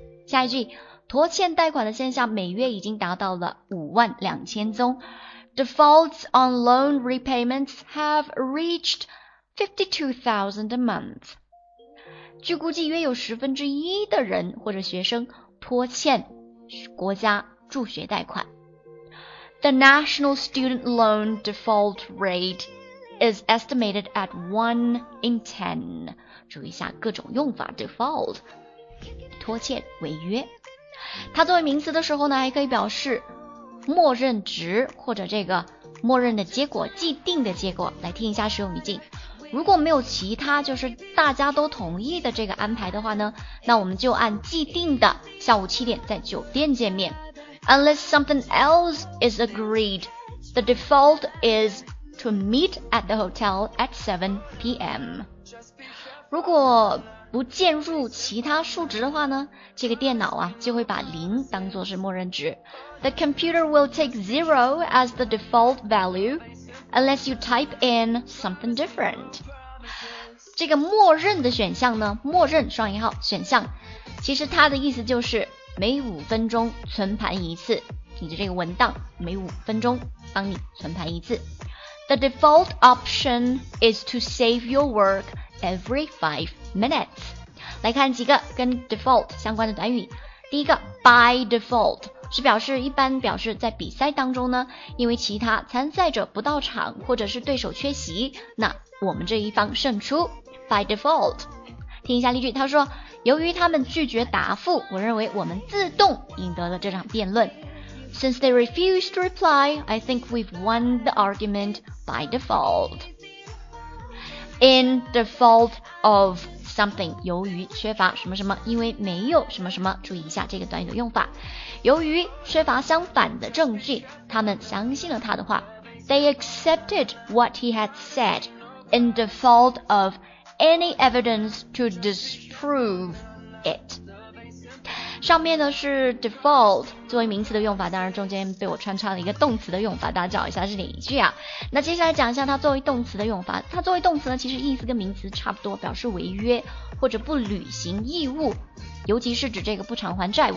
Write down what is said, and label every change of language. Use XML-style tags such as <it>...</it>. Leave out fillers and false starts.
<zh>下一句，拖欠贷款的现象每月已经达到了52,000宗。</zh> <en>Defaults on loan repayments have reached 52,000 a month.</en> <zh>据估计约有1/10的人或者学生拖欠国家助学贷款。</zh> <en>The national student loan default rate is estimated at 1 in 10.</en> <zh>注意一下各种用法 default, 拖欠违约。它作为名词的时候呢，还可以表示默认值或者这个默认的结果，既定的结果。来听一下使用语境。如果没有其他就是大家都同意的这个安排的话呢，那我们就按既定的7:00在酒店见面。</zh> <en>Unless something else is agreed, the default is to meet at the hotel at 7 p.m.</en> <zh>如果不建入其他数值的话呢，这个电脑啊就会把零当作是默认值。</zh> <en>The computer will take 0 as the default value unless you type in something different.</en> <zh>这个默认的选项呢，默认双引号选项，其实它的意思就是每5分钟存盘一次，你的这个文档每5分钟帮你存盘一次。</zh> <en>The default option is to save your work every 5 minutes.</en> <zh>来看几个跟 default 相关的短语。第一个</zh> <en>by default</en> <zh>是表示一般表示在比赛当中呢，因为其他参赛者不到场或者是对手缺席，那我们这一方胜出 by default。听一下例句，他说由于他们拒绝答复，我认为我们自动赢得了这场辩论。</zh> <en>Since they refused to reply, I think we've won the argument by default. In default of something,</en> <zh>由于缺乏什么什么，因为没有什么什么，注意一下这个短语的用法。由于缺乏相反的证据，他们相信了他的话。</zh> <en>They accepted what he had said in default of any evidence to disprove it.</en> <zh>上面呢是 default 作为名词的用法，当然中间被我穿插了一个动词的用法，大家找一下是哪一句啊。那接下来讲一下它作为动词的用法。它作为动词呢，其实意思跟名词差不多，表示违约或者不履行义务，尤其是指这个不偿还债务。</zh>